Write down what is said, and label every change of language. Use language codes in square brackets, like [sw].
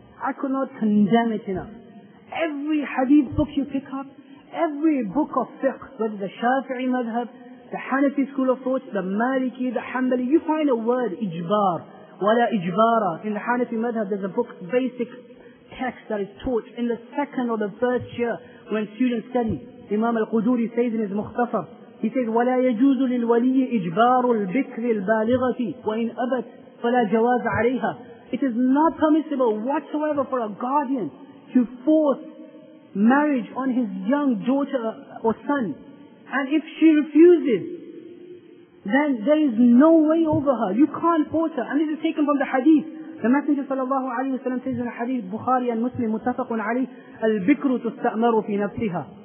[en] I could not condemn it enough. Every hadith book you pick up, every book of fiqh, whether the Shafi'i madhab, the Hanafi school of thought, the Maliki, the Hanbali, you find a word, ijbar, wala ijbara. In the Hanafi madhab, there's a book, basic text that is taught in the second or the first year when students study. Imam al-Quduri says in his Mukhtasar, he says, [ar] وَلَا يَجُوزُ لِلْوَلِيِّ إِجْبَارُ الْبِكْرِ الْبَالِغَةِ وَإِنْ أَبَتْ فَلَا جَوَازَ عَلَيْهَا. [en] It is not permissible whatsoever for a guardian to force marriage on his young daughter or son. And if she refuses, then there is no way over her. You can't force her. And this is taken from the hadith. The Messenger صلى الله عليه وسلم says in the hadith, Bukhari and Muslim, [ar] متفقٌ عليه, الْبِكْرُ تُسْتَأْمَرُ فِي نَفْسِهَا.